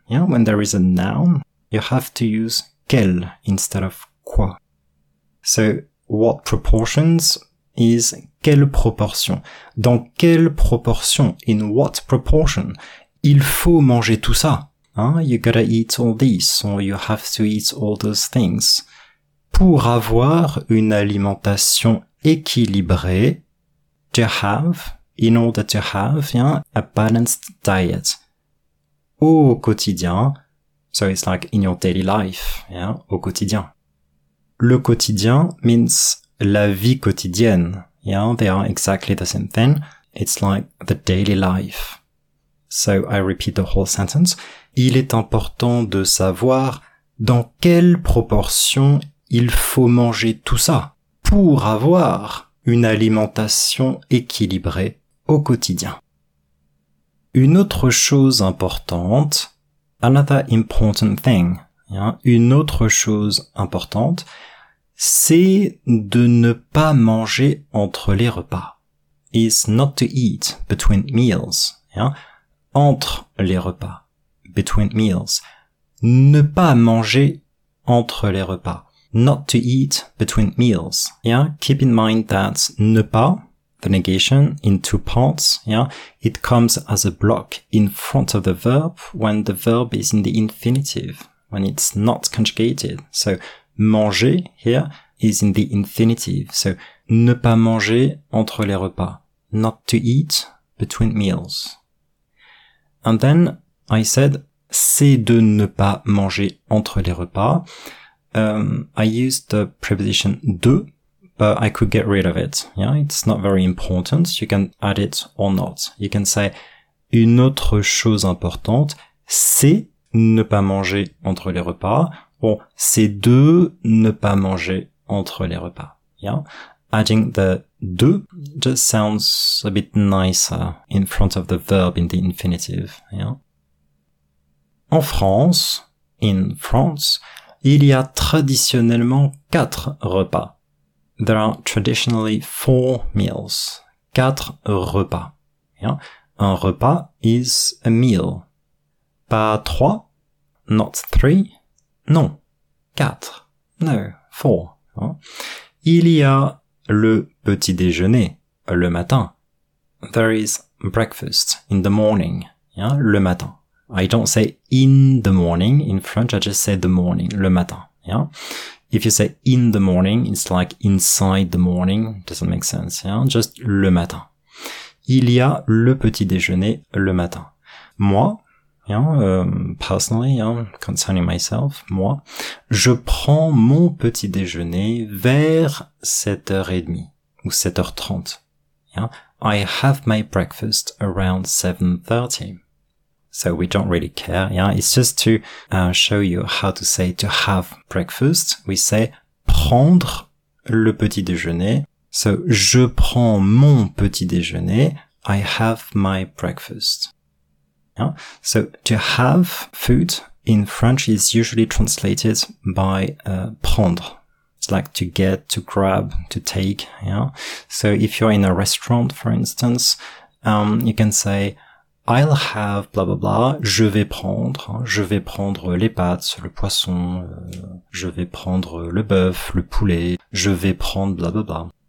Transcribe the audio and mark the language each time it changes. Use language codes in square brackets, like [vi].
[en] Yeah, when there is a noun, you have to use quel instead of quoi. So what proportions is [fr] quelle proportion. Dans quelle proportion, [en] in what proportion, [fr] il faut manger tout ça. [en] You gotta eat all these, or you have to eat all those things. [fr] Pour avoir une alimentation équilibrée, [en] to have, in order to have, yeah, a balanced diet. [fr] au quotidien. [en] So it's like in your daily life, yeah, [fr] au quotidien. [en] Le quotidien means [fr] la vie quotidienne, [en] yeah, they are exactly the same thing. It's like the daily life. So I repeat the whole sentence. [fr] Il est important de savoir dans quelle proportion il faut manger tout ça pour avoir une alimentation équilibrée au quotidien. Une autre chose importante, [en] another important thing, [fr] hein, une autre chose importante, c'est de ne pas manger entre les repas. [en] Is not to eat between meals, hein, [fr] entre les repas, [en] between meals. [fr] Ne pas manger entre les repas. [en] Not to eat between meals. Yeah, keep in mind that ne pas, the negation, in two parts, yeah, it comes as a block in front of the verb when the verb is in the infinitive, when it's not conjugated. So, manger here is in the infinitive. [fr] So, ne pas manger entre les repas. [en] Not to eat between meals. And then I said, [fr] c'est de ne pas manger entre les repas. [en] I used the preposition de, but I could get rid of it. Yeah, it's not very important. You can add it or not. You can say, [fr] une autre chose importante, c'est ne pas manger entre les repas. Or, c'est de ne pas manger entre les repas. [en] Yeah, adding the de just sounds a bit nicer in front of the verb in the infinitive. Yeah. [fr] En France, [en] in France, [fr] il y a traditionnellement quatre repas. [en] There are traditionally four meals. [fr] Quatre repas. [en] Yeah. [fr] Un repas [en] is a meal. [fr] Pas trois. [en] Not three. Non. Quatre. No. Four. Yeah. [fr] Il y a le petit déjeuner le matin. [en] There is breakfast in the morning. Yeah. [fr] Le matin. [en] I don't say in the morning in French, I just say the morning, [fr] le matin, [en] yeah? If you say in the morning, it's like inside the morning, doesn't make sense, yeah? [fr] Just le matin. Il y a le petit déjeuner le matin. Moi, [en] yeah, personally, yeah, concerning myself, [fr] moi, je prends mon petit déjeuner vers 7h30 ou 7h30, yeah? [en] I have my breakfast around 7:30. So we don't really care, yeah. It's just to show you how to say to have breakfast. We say [fr] prendre le petit déjeuner. So je prends mon petit déjeuner. [en] I have my breakfast. Yeah. So to have food in French is usually translated by prendre. It's like to get, to grab, to take. Yeah. So if you're in a restaurant, for instance, you can say, I'll have blah blah [fr] blah, je vais prendre, hein, je vais prendre les pâtes, le poisson, je vais prendre le bœuf, le poulet, je vais prendre blah blah blah.